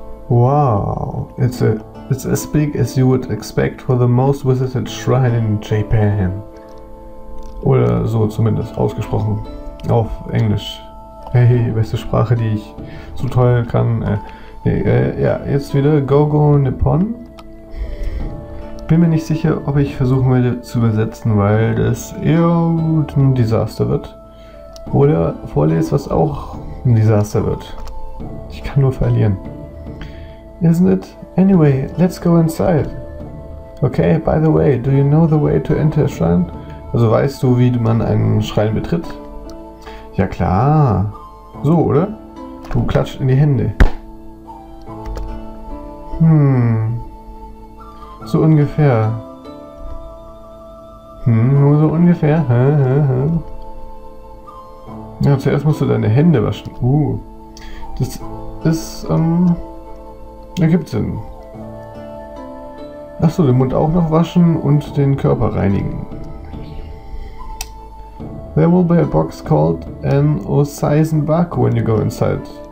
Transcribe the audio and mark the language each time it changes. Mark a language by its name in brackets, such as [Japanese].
[English] Wow, it's as big as you would expect for the most visited shrine in Japan. [German] Oder so zumindest ausgesprochen auf Englisch. Hey, beste Sprache, die ich so toll kann. Ja, jetzt wieder Gogo Nippon. Bin mir nicht sicher, ob ich versuchen werde zu übersetzen, weil das eher ein Desaster wird. Oder vorlese, was auch ein Desaster wird. Ich kann nur verlieren. [English] Isn't it? Anyway, let's go inside. Okay, by the way, do you know the way to enter a shrine? [German] Also weißt du, wie man einen Schrein betritt? Ja klar. So, oder? Du klatscht in die Hände. So ungefähr. Nur so ungefähr. Ja, zuerst musst du deine Hände waschen. Das ist, ergibt Sinn. Ach so, den Mund auch noch waschen und den Körper reinigen. [English] There will be a box called an Osaizenbaku when you go inside.